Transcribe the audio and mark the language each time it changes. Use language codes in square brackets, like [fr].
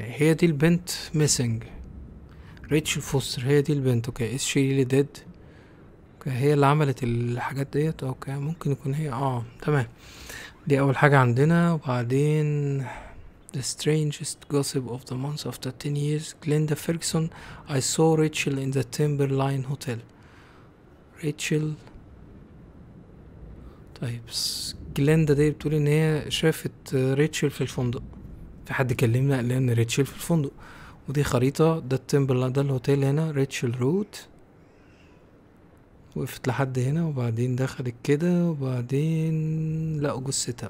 [ar] هي دي البنت missing. [en] Rachel Foster [ar] هي دي البنت. [en] Okay. Is she really dead? Okay. [ar] هي اللي عملت الحاجات ديت. Okay. ممكن يكون هي. تمام. دي أول حاجة عندنا وبعدين. [en] The strangest gossip of the month after 10 years. Glenda Ferguson. I saw Rachel in the Timberline Hotel. Rachel. [ar] طيب Glenda دي بتقول ان هي شافت ريتشل في الفندق. في حد كلمنا قال لنا ريتشل في الفندق. ودي خريطة. ده التيمبرلاين ده الهوتيل هنا. ريتشل روت. وقفت لحد هنا وبعدين دخلت كده وبعدين لقوا جثتها.